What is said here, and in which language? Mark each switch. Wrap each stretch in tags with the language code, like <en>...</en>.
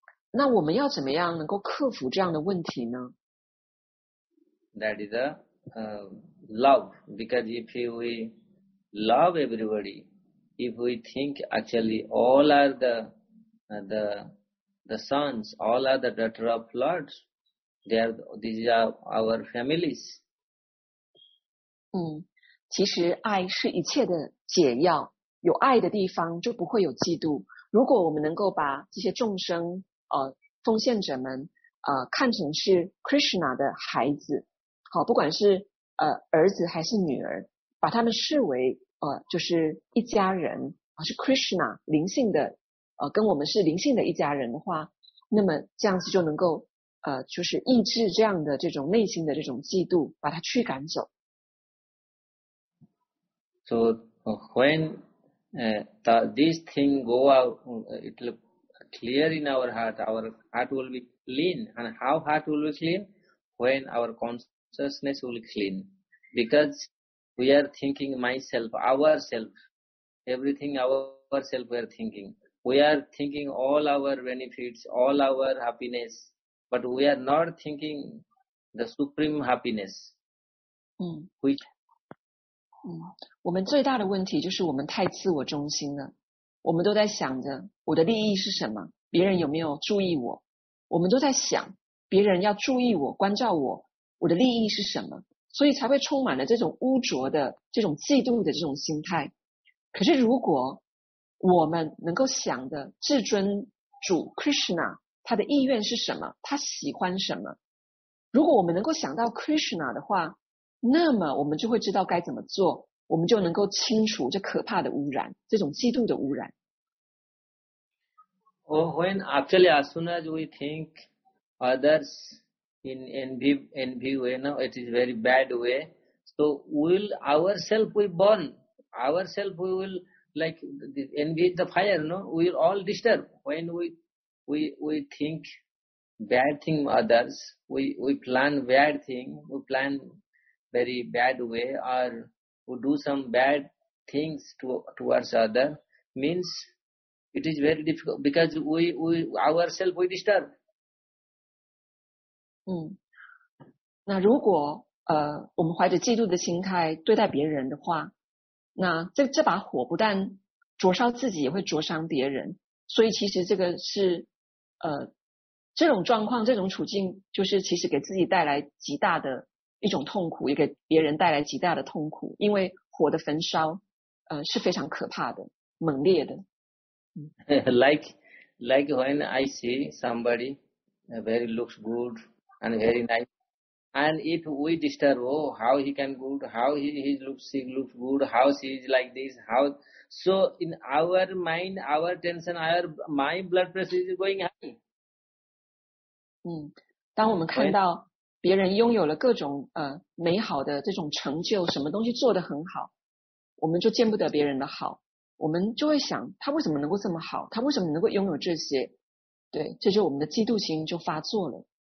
<zh>那我们要怎么样能够克服这样的问题呢？</zh> <en>That is love. Because if we love everybody, if we think actually all are the sons, all are the daughter of Lord, these are our families.</en> <zh>其实爱是一切的解药。有爱的地方就不会有嫉妒。如果我们能够把这些众生奉献者们看成是 Krishna 的孩子，好，不管是儿子还是女儿，把他们视为就是一家人，是 Krishna 灵性的跟我们是灵性的一家人的话，那么这样子就能够就是抑制这样的这种内心的这种嫉妒，把它驱赶走。</zh> <en>So whenthis thing go out, it will clear in our heart will be clean. And how heart will be clean? When our consciousness will be clean. Because we are thinking myself, ourself, everything ourself we are thinking. We are thinking all our benefits, all our happiness, but we are not thinking the supreme happiness. Which...</en> <zh>我们最大的问题就是我们太自我中心了，我们都在想着我的利益是什么，别人有没有注意我，我们都在想别人要注意我，关照我，我的利益是什么，所以才会充满了这种污浊的这种嫉妒的这种心态。可是如果我们能够想的至尊主 Krishna 他的意愿是什么，他喜欢什么，如果我们能够想到 Krishna 的话，那么我们就会知道该怎么做，我们就能够清除这可怕的污染，这种嫉妒的污染。</zh> <en>When actually as soon as we think others in envy way, now it is very bad way. So will ourselves we burn? Ourselves we will like envy the fire, no? We will all disturb when we think bad thing others. We plan bad thing. We plan. Very bad way, or who do some bad things towards other, means it is very difficult because we ourselves we disturb.</en> <zh>那如果我们怀着嫉妒的心态对待别人的话，那这把火不但灼烧自己，也会灼伤别人。所以其实这个是这种状况，这种处境，就是其实给自己带来极大的。一种痛苦，也给别人带来极大的痛苦，因为火的焚烧是非常可怕的，猛烈的。</zh> <en>Like when I see somebody very looks good and very nice, and if we disturb, oh, how he can good, how he looks, he looks good, how he is like this, how, so in our mind, our tension, my blood pressure is going high.</en> <zh>当我们看到别人拥有了各种美好的这种成就，什么东西做得很好，我们就见不得别人的好，我们就会想他为什么能够这么好，他为什么能够拥有这些，对，这就我们的嫉妒心就发作了。</zh>